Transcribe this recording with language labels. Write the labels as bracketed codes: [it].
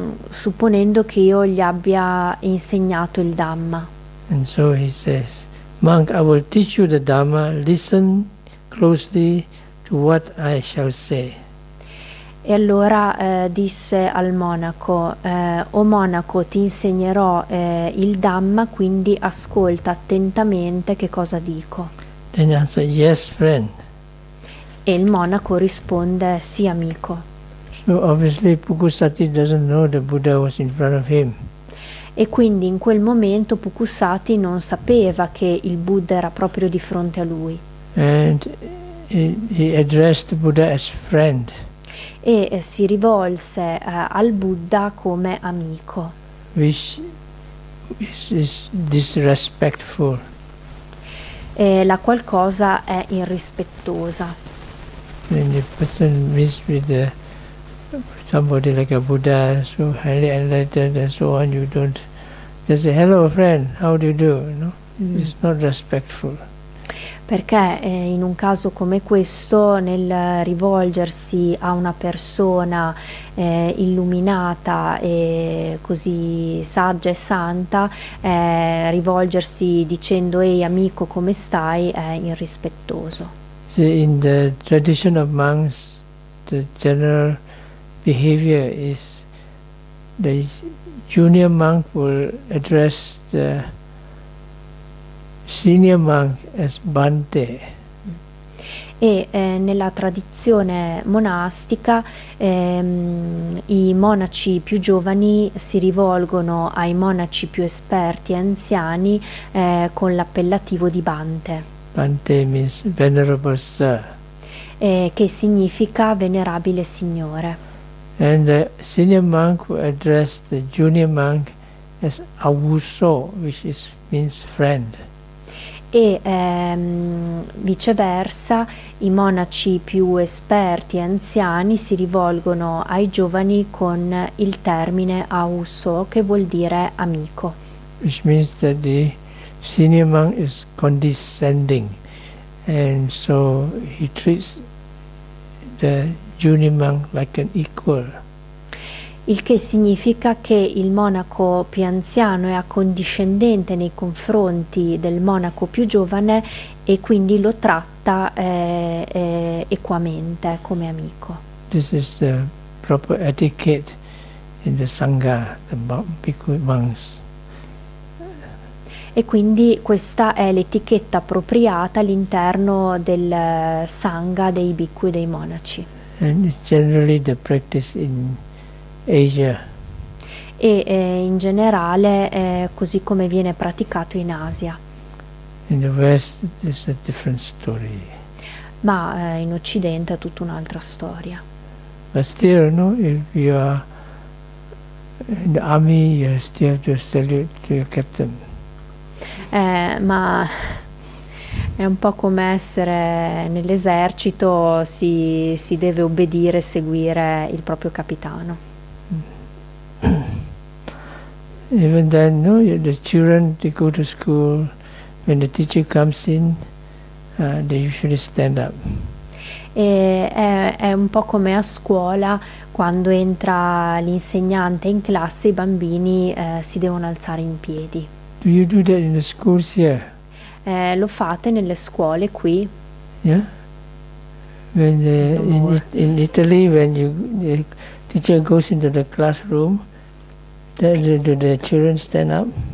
[it] Supponendo che io gli abbia insegnato il Dhamma. [en] And so he says, monk, I will teach you the Dhamma, listen closely to what I shall say. [it] E allora disse al monaco, o monaco, ti insegnerò il Dhamma, quindi ascolta attentamente che cosa dico. [en] Then he answered, yes, friend. [it] E il monaco risponde, sì, amico. [en] So obviously Pukkusati doesn't know the Buddha was in front of him. [it] E quindi in quel momento Pukkusati non sapeva che il Buddha era proprio di fronte a lui. [en] And he addressed the Buddha as friend. [it] E si rivolse al Buddha come amico. [en] Which is disrespectful. [it] E la qualcosa è irrispettosa. [en] And the person meets with somebody like a Buddha, so highly enlightened and so on, you don't just say, hello friend, how do you do? No? It's not respectful. [it] Perché in un caso come questo, nel rivolgersi a una persona illuminata e così saggia e santa, rivolgersi dicendo, ehi amico, come stai, è irrispettoso. [en] See, in the tradition of monks, the general behavior is the junior monk will address the senior monk as Bante. [it] Nella tradizione monastica i monaci più giovani si rivolgono ai monaci più esperti e anziani con l'appellativo di Bante. [en] Bante means venerable sir. [it] Che significa venerabile signore. [en] And the senior monk will address the junior monk as Avuso, which is, means friend. [it] E viceversa, i monaci più esperti e anziani si rivolgono ai giovani con il termine Avuso, che vuol dire amico. [en] Which means that the senior monk is condescending, and so he treats the junior monk like an equal. [it] Il che significa che il monaco più anziano è accondiscendente nei confronti del monaco più giovane e quindi lo tratta equamente come amico. [en] This is the proper etiquette in the Sangha, the bhikkhu monks. [it] E quindi questa è l'etichetta appropriata all'interno del Sangha dei bhikkhu e dei monaci. [en] And it's generally the practice in Asia. [it] E in generale così come viene praticato in Asia. [en] In the West it's a different story. [it] Ma in Occidente è tutta un'altra storia. [en] But still, no, if you are in the army, you still have to salute to your captain. [it] Ma è un po' come essere nell'esercito, si deve obbedire e seguire il proprio capitano. [en] Even then, no, the children they go to school, when the teacher comes in, they usually stand up. [it] È un po' come a scuola, quando entra l'insegnante in classe, i bambini si devono alzare in piedi. [en] Do you do that in the schools here? [it] Lo fate nelle scuole qui? [en] Yeah. When in Italy, when the teacher goes into the classroom, do the children stand up?